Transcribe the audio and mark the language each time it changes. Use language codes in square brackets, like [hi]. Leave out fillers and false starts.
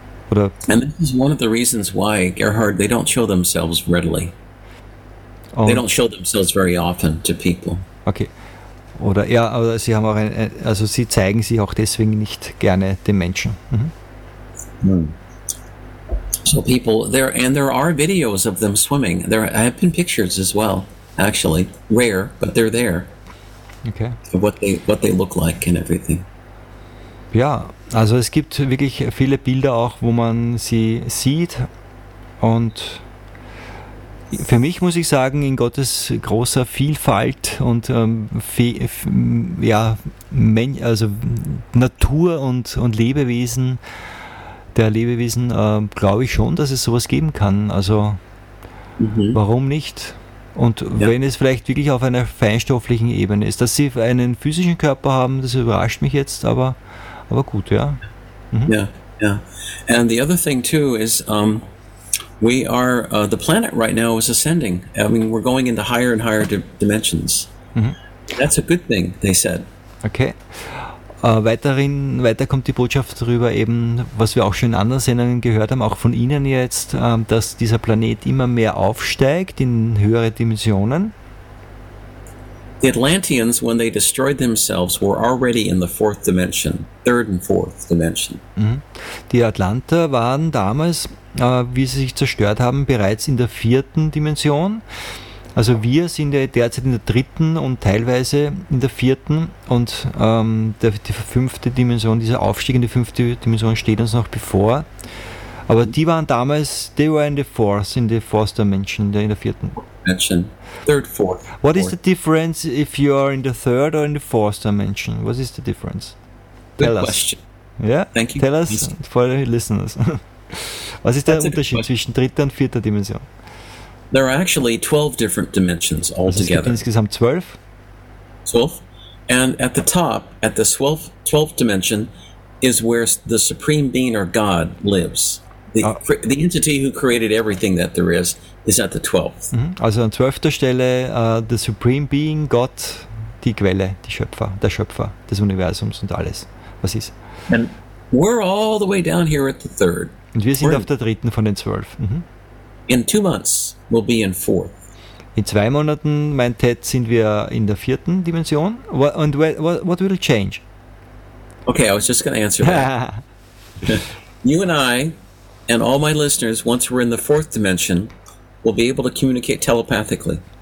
[de] Oder? [en] And this is one of the reasons why, Gerhard, they don't show themselves readily. [de] Und [en] they don't show themselves very often to people. Okay. [de] Oder sie zeigen sich auch deswegen nicht gerne den Menschen. Mhm. [en] So people there, and there are videos of them swimming. There have been pictures as well, actually. Rare, but they're there. Okay. Of what they look like and everything. [de] Ja, also es gibt wirklich viele Bilder auch, wo man sie sieht. Und für mich muss ich sagen, in Gottes großer Vielfalt und Natur und Lebewesen, der Lebewesen, glaube ich schon, dass es sowas geben kann. Also warum nicht? Und wenn es vielleicht wirklich auf einer feinstofflichen Ebene ist, dass sie einen physischen Körper haben, das überrascht mich jetzt, aber gut, ja. Ja, ja. [en] And the other thing too is, we are, the planet right now is ascending. I mean, we're going into higher and higher dimensions. That's a good thing, they said. Okay. [de] Weiter kommt die Botschaft darüber, eben, was wir auch schon in anderen Sendungen gehört haben, auch von Ihnen jetzt, dass dieser Planet immer mehr aufsteigt in höhere Dimensionen. [en] The Atlanteans, when they destroyed themselves, were already in the fourth dimension, third and fourth dimension. [de] Die Atlanter waren damals, wie sie sich zerstört haben, bereits in der vierten Dimension. Also wir sind ja derzeit in der dritten und teilweise in der vierten, und die fünfte Dimension, dieser Aufstieg in die fünfte Dimension steht uns noch bevor. Aber die waren damals, [en] they were in the fourth dimension, [de] in der vierten. [en] Dimension. Third, fourth. What is the difference if you are in the third or in the fourth dimension? What is the difference? Good tell question. Us. Yeah? Thank you. Tell us for the listeners. [de] Was ist der Unterschied zwischen dritter und vierter Dimension? [en] There are actually 12 different dimensions altogether. [de] Also es gibt insgesamt 12? 12. [en] And at the top, at the 12th dimension, is where the supreme being or God lives. The entity who created everything that there is at the 12th. [de] Also an 12. Stelle, [en] the supreme being, [de] Gott, die Quelle, die Schöpfer, der Schöpfer des Universums und alles, was ist. [en] And we're all the way down here at the 3rd. [de] Und wir sind auf der dritten von den 12. [en] In 2 months, we'll be in 4th. [de] In 2 Monaten, meint Ted, sind wir in der vierten Dimension. [en] And what will change? Okay, I was just going to answer that. You and I, and all my listeners, once we're in the fourth dimension, will be able to communicate telepathically.